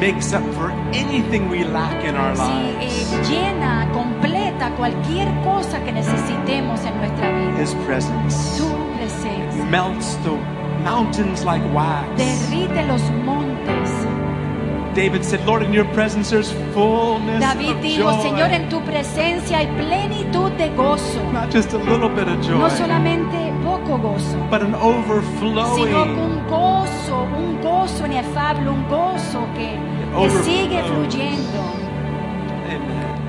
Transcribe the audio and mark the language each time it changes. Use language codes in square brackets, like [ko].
[en] Makes up for anything we lack in our lives. [es] Sí, llena, completa cualquier cosa que necesitemos en nuestra vida. [en] His presence. [es] Su presencia. [en] Melts the mountains like wax. [es] Derrite los montes. [en] David said, Lord, in your presence there's fullness [es] David [en] of [es] dijo, [en] joy. [es] Señor, en tu presencia hay plenitud de gozo. [en] Not just a little bit of joy. [es] No solamente poco gozo. [en] But an overflowing. [es] Sino un gozo inefable, un gozo que sigue fluyendo. [en] Amen.